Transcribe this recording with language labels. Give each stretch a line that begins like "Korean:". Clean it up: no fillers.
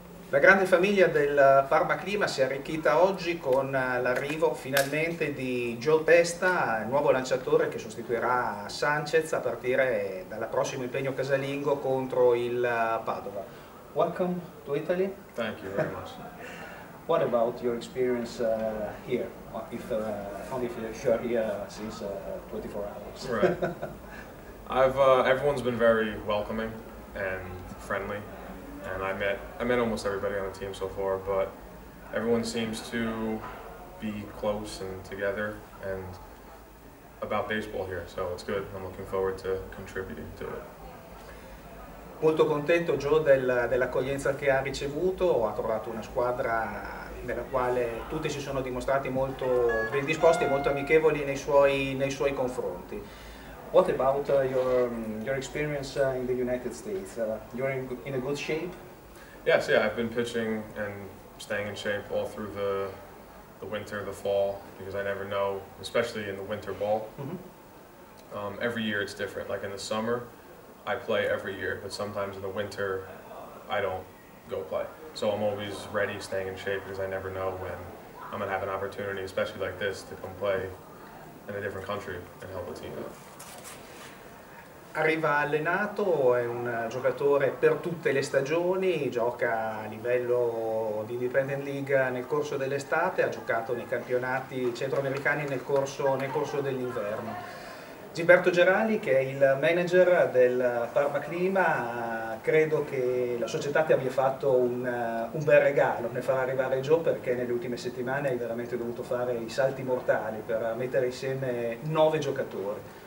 Italian: La grande famiglia del Farmaclima si è arricchita oggi con l'arrivo finalmente di Joe Testa, il nuovo lanciatore che sostituirà Sanchez a partire dal prossimo impegno casalingo contro il Padova.
English: Welcome to Italy. Thank you very much. What about your experience here? If you're here since 24 hours. Right. Everyone's been very welcoming and friendly, and I met almost everybody on the team so far, but everyone seems to be close and together and about baseball here, so it's good. I'm looking forward to contributing to it.
Italian: Molto contento Joe dell'accoglienza che ha ricevuto, ha trovato una squadra nella quale tutti si sono dimostrati molto ben disposti e molto amichevoli nei suoi confronti.
English: What about your experience in the United States? You're in a good shape? Yeah, I've been pitching and staying in shape all through the winter, the fall, because I never know, especially in the winter ball. Every year it's different. Like in the summer, I play every year, but sometimes in the winter, I don't go play. So I'm always ready, staying in shape, because I never know when I'm going to have an opportunity, especially like this, to come play in a different country and help a team out.
Italian: Arriva allenato, è un giocatore per tutte le stagioni, gioca a livello di Independent League nel corso dell'estate, ha giocato nei campionati centroamericani nel corso dell'inverno. Gilberto Gerali, che è il manager del Parmaclima, credo che la società ti abbia fatto un bel regalo nel far arrivare Joe, perché nelle ultime settimane hai veramente dovuto fare i salti mortali per mettere insieme 9 giocatori.